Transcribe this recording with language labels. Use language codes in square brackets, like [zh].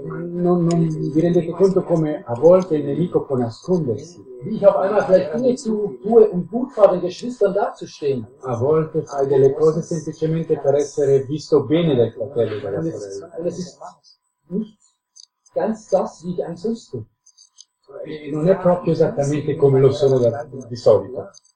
[it] Non vi rendete conto come a volte il nemico può nascondersi. [de] Wie ich auf einmal vielleicht Dinge zu tue, um gut vor den Geschwistern dazustehen. [it] A volte fai delle cose semplicemente per essere visto bene dai fratelli. [de] Das ist nicht ganz das, wie ich ansonsten bin. [it] Non è proprio esattamente come lo sono di solito.